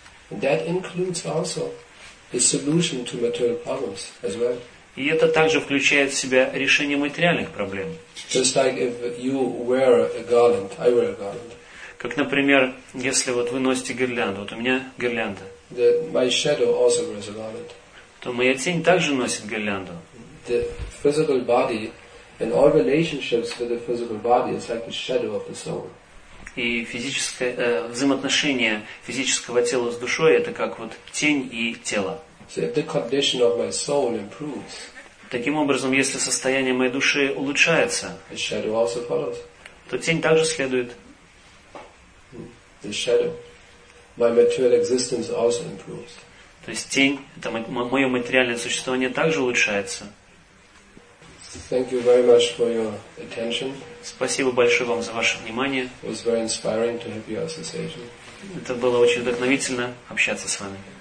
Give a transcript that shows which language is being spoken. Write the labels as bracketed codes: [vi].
[en] That includes also the solution to material problems as well. [ru] И это также включает в себя решение материальных проблем. [en] Just like if you wear a garland, I wear a garland. [ru] Как, например, если вот вы носите гирлянду, вот у меня гирлянда, [en] my shadow also wears a garland. [ru] То моя тень также носит гирлянду. [en] The physical body and all relationships with the physical body is like the shadow of the soul. [ru] И физическое взаимоотношение физического тела с душой — это как вот тень и тело. [en] So if the condition of my soul improves. [ru] Таким образом, если состояние моей души улучшается, [en] the shadow also follows. [ru] То тень также следует. [en] The shadow. My material existence also improves. [ru] То есть тень, это мое материальное существование также улучшается. [en] Thank you very much for your attention. [ru] Спасибо большое вам за ваше внимание. [en] It was very inspiring to have your association. [ru] Это было очень вдохновительно общаться с вами.